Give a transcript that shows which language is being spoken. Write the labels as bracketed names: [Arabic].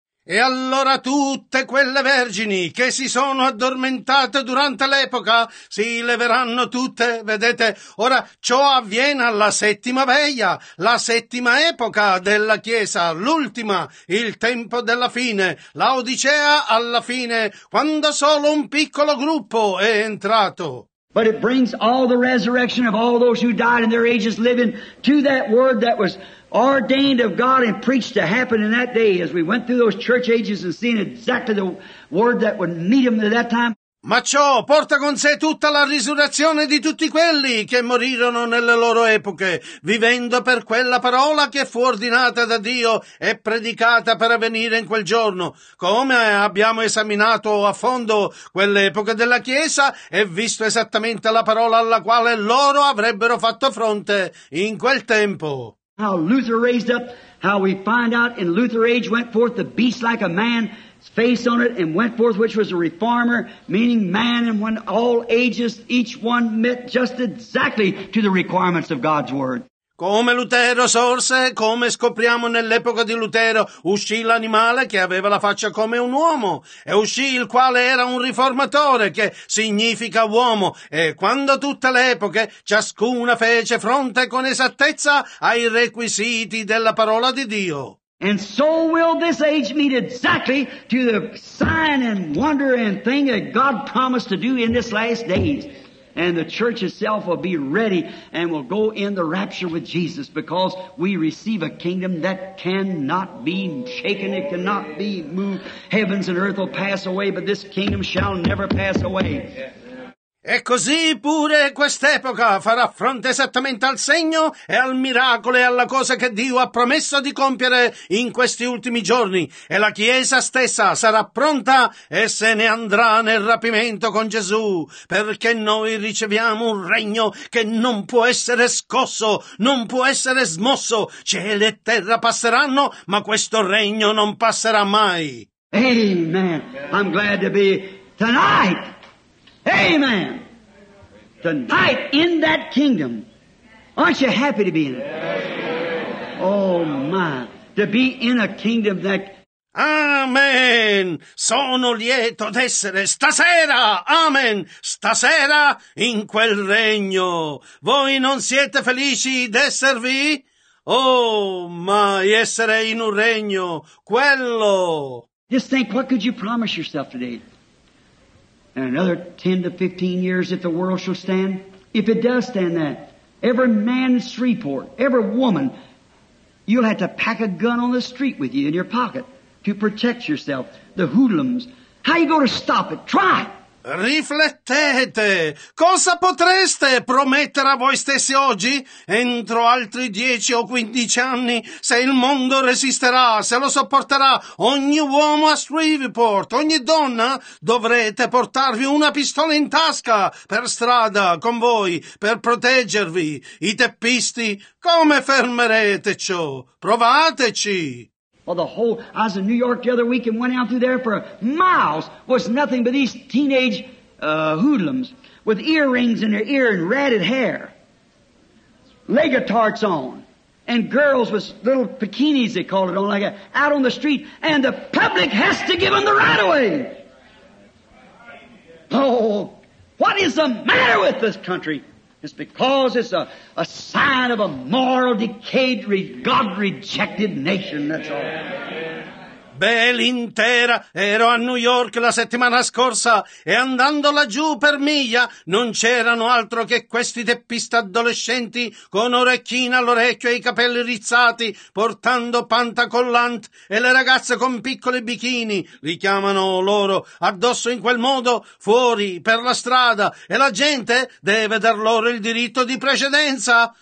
[Italian] E allora tutte quelle vergini che si sono addormentate durante l'epoca si leveranno tutte, vedete? Ora ciò avviene alla settima veglia, la settima epoca della Chiesa, l'ultima, il tempo della fine, Laodicea alla fine, quando solo un piccolo gruppo è entrato. [English] But it brings all the resurrection of all those who died in their ages living to that word that was ordained of God and preached to happen in that day as we went through those church ages and seeing exactly the word that would meet them at that time. [Italian] Ma ciò porta con sé tutta la risurrezione di tutti quelli che morirono nelle loro epoche, vivendo per quella parola che fu ordinata da Dio e predicata per avvenire in quel giorno. Come abbiamo esaminato a fondo quell'epoca della Chiesa e visto esattamente la parola alla quale loro avrebbero fatto fronte in quel tempo. [English] How Luther raised up, how we find out in Luther age went forth the beast like a man, face on it, and went forth, which was a reformer, meaning man, and when all ages, each one met just exactly to the requirements of God's word. [Italian] Come Lutero sorse, come scopriamo nell'epoca di Lutero, uscì l'animale che aveva la faccia come un uomo, e uscì il quale era un riformatore, che significa uomo, e quando tutte le epoche, ciascuna fece fronte con esattezza ai requisiti della parola di Dio. [English] And so will this age meet exactly to the sign and wonder and thing that God promised to do in this last days. And the church itself will be ready and will go in the rapture with Jesus because we receive a kingdom that cannot be shaken, it cannot be moved. Heavens and earth will pass away, but this kingdom shall never pass away. [Italian] E così pure quest'epoca farà fronte esattamente al segno e al miracolo e alla cosa che Dio ha promesso di compiere in questi ultimi giorni. E la Chiesa stessa sarà pronta e se ne andrà nel rapimento con Gesù, perché noi riceviamo un regno che non può essere scosso, non può essere smosso. Cielo e terra passeranno, ma questo regno non passerà mai. [English] Amen. I'm glad to be tonight. Amen. Tonight in that kingdom. Aren't you happy to be in it? Oh my. To be in a kingdom that... Amen. [Italian] Sono lieto d'essere stasera. Amen. Stasera in quel regno. Voi non siete felici d'esservi? [English] Oh my. [Italian] Essere in un regno. Quello. [English] Just think, what could you promise yourself today? And another 10 to 15 years if the world shall stand. If it does stand that, every man in Shreveport, every woman, you'll have to pack a gun on the street with you in your pocket to protect yourself. The hoodlums. How are you going to stop it? Try! [Italian] Riflettete, cosa potreste promettere a voi stessi oggi? Entro altri 10 o 15 anni, se il mondo resisterà, se lo sopporterà, ogni uomo a Shreveport, ogni donna, dovrete portarvi una pistola in tasca per strada con voi per proteggervi. I teppisti, come fermerete ciò? Provateci! [English] Well, the whole, I was in New York the other week and went out through there for miles. It was nothing but these teenage hoodlums with earrings in their ear and ratted hair. Leotards on. And girls with little bikinis, they call it, on like that, out on the street. And the public has to give them the right of way. Oh, what is the matter with this country? It's because it's a sign of a moral, decayed, God-rejected nation, that's all. [Italian] Beh, l'intera, ero a New York la settimana scorsa e andando laggiù per miglia non c'erano altro che questi teppisti adolescenti con orecchina all'orecchio e i capelli rizzati portando pantacollant e le ragazze con piccoli bikini, li chiamano loro, addosso in quel modo, fuori, per la strada e la gente deve dar loro il diritto di precedenza.